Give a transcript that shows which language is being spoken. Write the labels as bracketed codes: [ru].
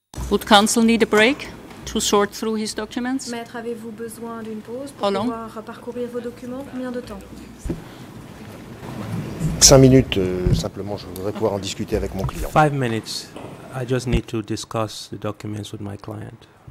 [en] Would counsel need a break to sort through his documents? [fr] Maître, avez-vous besoin d'une pause pour pouvoir parcourir vos documents? Combien de temps? 5 minutes, simplement, je voudrais pouvoir en discuter avec mon client. [en] 5 minutes, I just need to discuss the documents with my client.